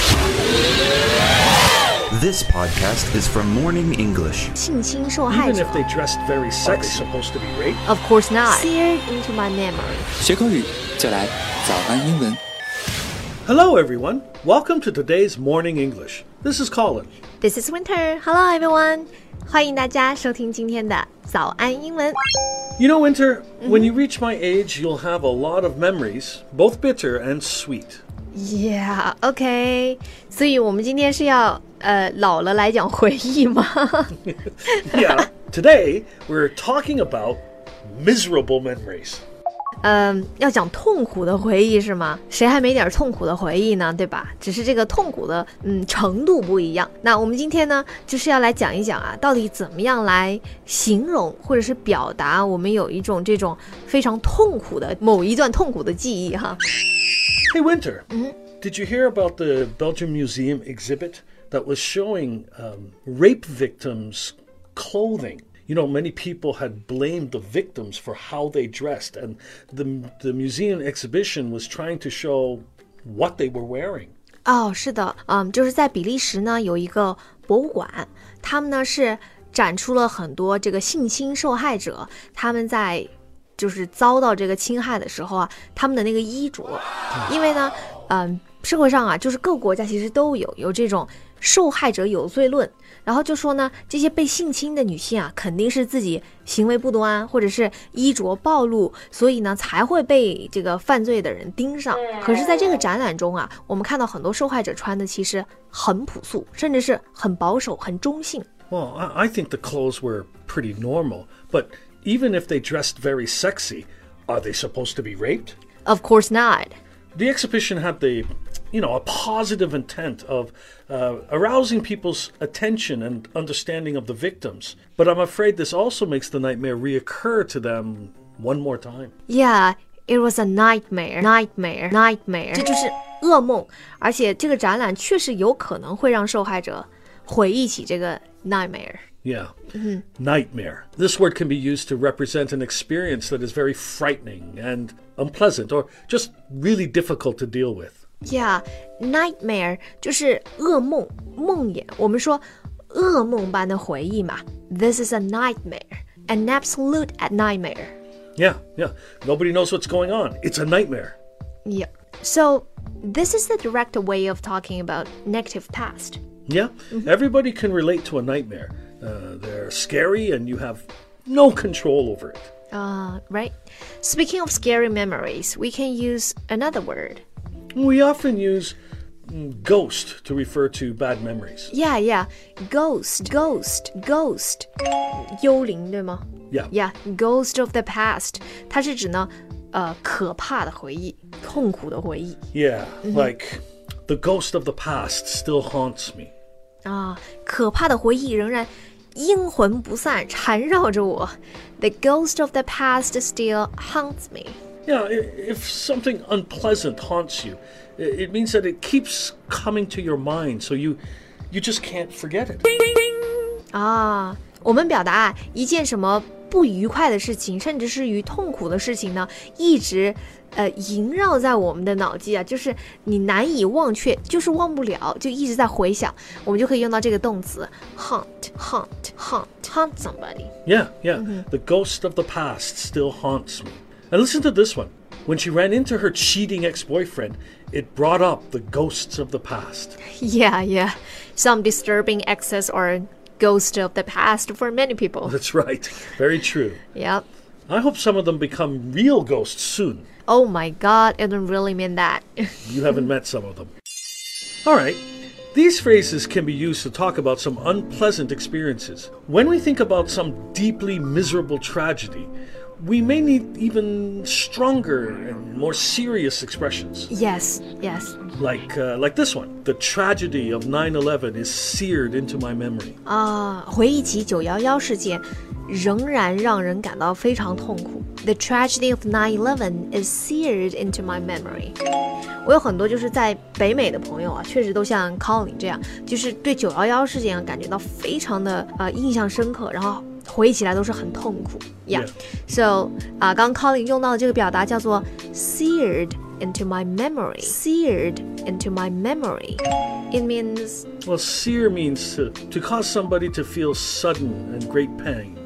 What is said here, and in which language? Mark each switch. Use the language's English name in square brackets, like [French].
[English] This podcast is from Morning English. [Chinese] 性侵受害者. [English] Even if they dressed very sexy, supposed to be raped? Of course not. Seared into my memory. [Chinese] 学口语就来早安英文。 [English] Hello, everyone. Welcome to today's Morning English. This is Colin. This is Winter. Hello, everyone. [Chinese] 欢迎大家收听今天的早安英文。 [English] You know, Winter,、mm-hmm. when you reach my age, you'll have a lot of memories, both bitter and sweet. Yeah, okay. [Chinese] 所以我们今天是要、老了来讲回忆吗? [English] Yeah, today we're talking about miserable memories. [Chinese] 要讲痛苦的回忆是吗？谁还没点痛苦的回忆呢？对吧？只是这个痛苦的程度不一样。那我们今天呢，就是要来讲一讲啊，到底怎么样来形容或者是表达我们有一种这种非常痛苦的某一段痛苦的记忆哈。 [English] Hey Winter,、mm-hmm. did you hear about the Belgian Museum exhibit that was showing rape victims' clothing? You know, many people had blamed the victims for how they dressed, and the museum exhibition was trying to show what they were wearing. [Chinese] Oh, 是的，就是在比利时呢，有一个博物馆，他们呢是展出了很多这个性侵受害者，他们在就是遭到这个侵害的时候啊，他们的那个衣着，因为呢，社会上啊，就是各国家其实都有这种受害者有罪论。然后就说呢，这些被性侵的女性啊，肯定是自己行为不端，或者是衣着暴露，所以呢才会被这个犯罪的人盯上。可是在这个展览中啊，我们看到很多受害者穿的其实很朴素，甚至是很保守，很中性。 [English] Well, I think the clothes were pretty normal, but even if they dressed very sexy, are they supposed to be raped? Of course not. The exhibition had the... You know, a positive intent of arousing people's attention and understanding of the victims. But I'm afraid this also makes the nightmare reoccur to them one more time. Yeah, it was a nightmare. Nightmare. [Chinese] Nightmare. 这就是噩梦。而且这个展览确实有可能会让受害者回忆起这个 nightmare. [English] Yeah,、mm-hmm. nightmare. This word can be used to represent an experience that is very frightening and unpleasant or just really difficult to deal with. [Chinese] Yeah, nightmare 就是噩梦梦魇我们说噩梦般的回忆嘛 [English] This is a nightmare, an absolute nightmare. Yeah, yeah. Nobody knows what's going on. It's a nightmare. Yeah. So this is the direct way of talking about negative past. Yeah,、mm-hmm. everybody can relate to a nightmare. They're scary and you have no control over it. Right. Speaking of scary memories, we can use another word. We often use ghost to refer to bad memories. Yeah, yeah. Ghost, ghost, ghost. [Chinese] 幽灵对吗? [English] Yeah. Yeah, ghost of the past. [Chinese] 它是指呢、可怕的回忆,痛苦的回忆。 [English] Yeah,、mm-hmm. like the ghost of the past still haunts me. [Chinese] 可怕的回忆仍然阴魂不散缠绕着我 [English] The ghost of the past still haunts me Yeah, if something unpleasant haunts you It means that it keeps coming to your mind So you just can't forget it ding, ding, ding. [Chinese] 我们表达一件什么不愉快的事情甚至是与痛苦的事情呢一直萦绕在我们的脑际啊就是你难以忘却就是忘不了就一直在回想我们就可以用到这个动词 haunt, haunt, haunt, haunt somebody. [English] Yeah, yeah,、mm-hmm. the ghost of the past still haunts me. And listen to this one. When she ran into her cheating ex-boyfriend, it brought up the ghosts of the past. Yeah, yeah, some disturbing exes or ghost of the past for many people. That's right, very true. Yep. I hope some of them become real ghosts soon. Oh my god, I don't really mean that. You haven't met some of them. All right, these phrases can be used to talk about some unpleasant experiences. When we think about some deeply miserable tragedy, we may need even stronger and more serious expressions. Yes, yes. Like this one. The tragedy of 9/11 is seared into my memory. [Chinese] 回忆起911事件仍然让人感到非常痛苦 [English] The tragedy of 9/11 is seared into my memory [Chinese] 我有很多就是在北美的朋友啊确实都像 Colin 这样就是对911事件感觉到非常的、印象深刻然后回忆起来都是很痛苦 [English] Yeah, yeah. So [Chinese] 刚 Colin 用到的这个表达叫做 seared [English] into my memory. Seared into my memory. It means... Well, sear means to cause somebody to feel sudden and great pang.